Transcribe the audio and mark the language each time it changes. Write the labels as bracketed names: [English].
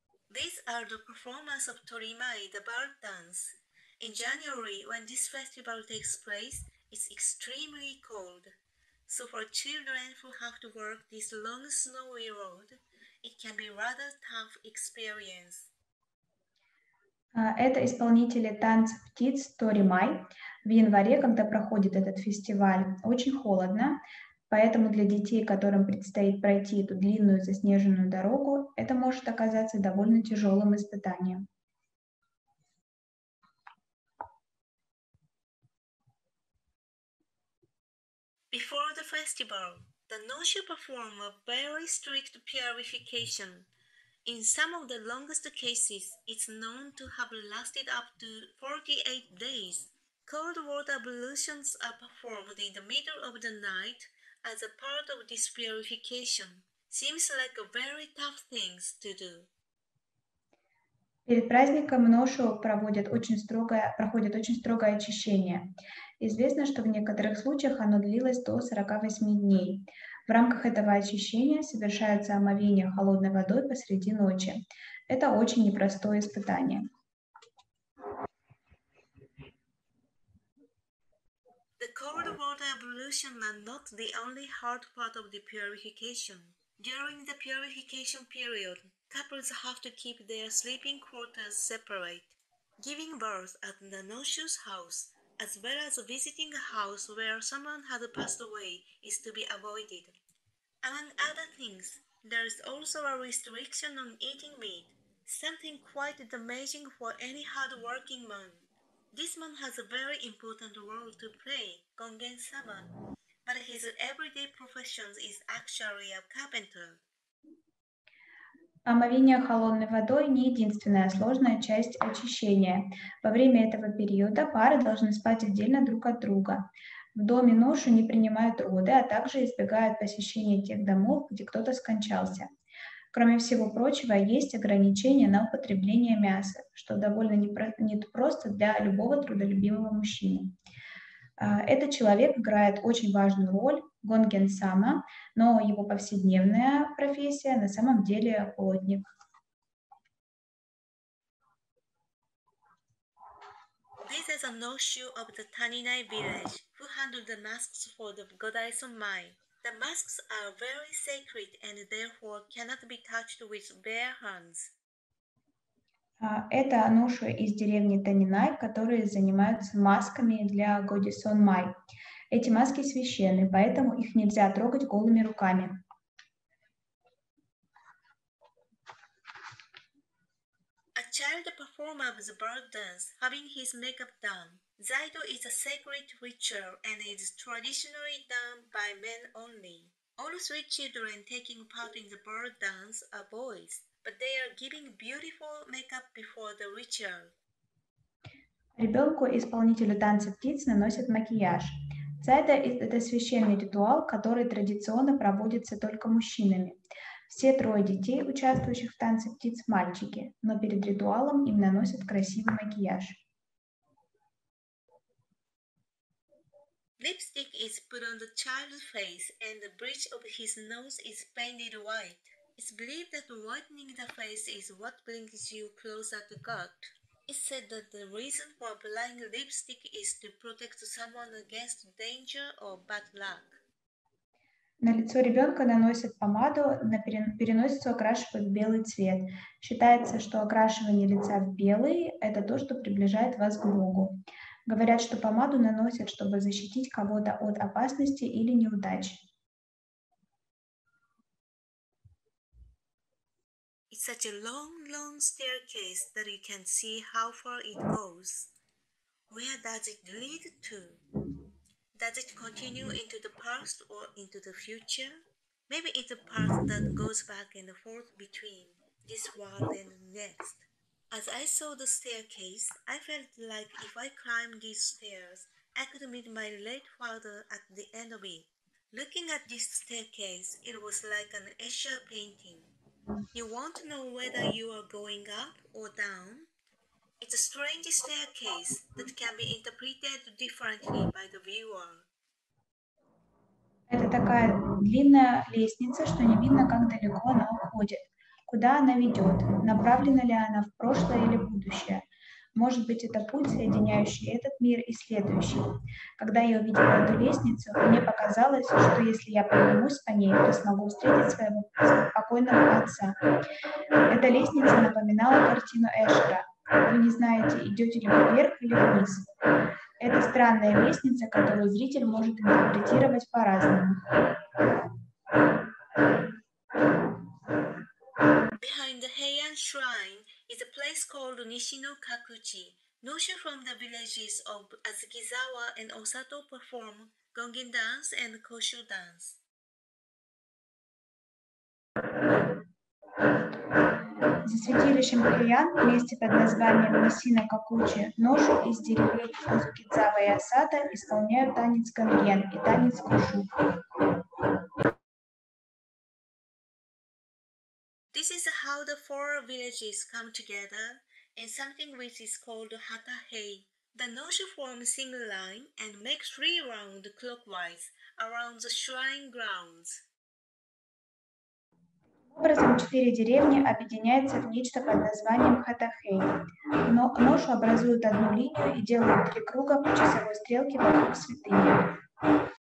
[English] These are the performers of Torimai, the bird dance. In January, when this festival takes place, it's extremely cold. So for children who have to work this long snowy road, it can be rather tough experience. [Russian] Это исполнители танцев птиц Торимай. В январе, когда проходит этот фестиваль, очень холодно. Поэтому для детей, которым предстоит пройти эту длинную заснеженную дорогу, это может оказаться довольно тяжелым испытанием. [English] Before the festival, the Noshu perform a very strict purification. In some of the longest cases, it's known to have lasted up to 48 days. Cold water ablutions are performed in the middle of the night as a part of this purification. Seems like a very tough thing to do. [Russian] Перед праздником Ношу проходит очень строгое очищение. Известно, что в некоторых случаях оно длилось до 48 дней. В рамках этого очищения совершается омовение холодной водой посреди ночи. Это очень непростое испытание. [English] The cold water ablution are not the only hard part of the purification. During the purification period, couples have to keep their sleeping quarters separate. Giving birth at the Noshu's house, as well as visiting a house where someone has passed away, is to be avoided. Among other things, there is also a restriction on eating meat, something quite damaging for any hard-working man. This man has a very important role to play, Gongen-sama, but his everyday profession is actually a carpenter. [Russian] Омовение холодной водой – не единственная сложная часть очищения. Во время этого периода пары должны спать отдельно друг от друга. В доме Ношу не принимают роды, а также избегают посещения тех домов, где кто-то скончался. Кроме всего прочего, есть ограничения на употребление мяса, что довольно непросто для любого трудолюбивого мужчины. Этот человек играет очень важную роль, Гонген-сама, но его повседневная профессия на самом деле плотник. [English] This is a Noshu of the Taninai village who handled the masks for the Godai Sonmai. The masks are very sacred and therefore cannot be touched with bare hands. [Russian] Это Ношу из деревни Танинай, которые занимаются масками для Годи Сонмай. Эти маски священны, поэтому их нельзя трогать голыми руками. [English] child performer of the bird dance, having his makeup done. Zaido is a sacred ritual and is traditionally done by men only. All three children taking part in the bird dance are boys, but they are giving beautiful makeup before the ritual. [Russian] Ребенку исполнителю танца птиц наносят макияж. Цайда – это священный ритуал, который традиционно проводится только мужчинами. Все трое детей, участвующих в танце птиц, мальчики, но перед ритуалом им наносят красивый макияж. [English] Lipstick is put on the child's face and the bridge of his nose is painted white. It's believed that whitening the face is what brings you closer to God. It's said that the reason for applying lipstick is to protect someone against danger or bad luck. [Russian] На лицо ребенка наносят помаду, на переносицу окрашивают белый цвет. Считается, что окрашивание лица в белый – это то, что приближает вас к Богу. Говорят, что помаду наносят, чтобы защитить кого-то от опасности или неудач. [English] Such a long, long staircase that you can see how far it goes. Where does it lead to? Does it continue into the past or into the future? Maybe it's a path that goes back and forth between this world and the next. As I saw the staircase, I felt like if I climbed these stairs, I could meet my late father at the end of it. Looking at this staircase, it was like an Escher painting. You won't know whether you are going up or down. It's a strange staircase that can be interpreted differently by the viewer. [Russian] Это такая длинная лестница, что не видно, как далеко она уходит. Куда она ведет? Направлена ли она в прошлое или будущее? Может быть, это путь, соединяющий этот мир и следующий. Когда я увидела эту лестницу, мне показалось, что если я поднимусь по ней, то смогу встретить своего покойного отца. Эта лестница напоминала картину Эшера. Вы не знаете, идете ли вы вверх или вниз. Это странная лестница, которую зритель может интерпретировать по-разному. [English] Is a place called Nishinokakuchi. Nosho from the villages of Azukizawa and Osato perform gongen dance and koshu dance. [Russian] За святилищем Хэйян, месте под названием Нисино-Какучи, Ножу из деревень Азукидзава и Осата исполняют танец гонген и танец кушу. [English] This is how the four villages come together in something which is called Hatahei. The Noshu form a single line and make three rounds clockwise around the shrine grounds. [Russian] Образом четыре деревни объединяются в нечто под названием Хатахей. Ношу образуют одну линию и делают три круга по часовой стрелке вокруг святыни.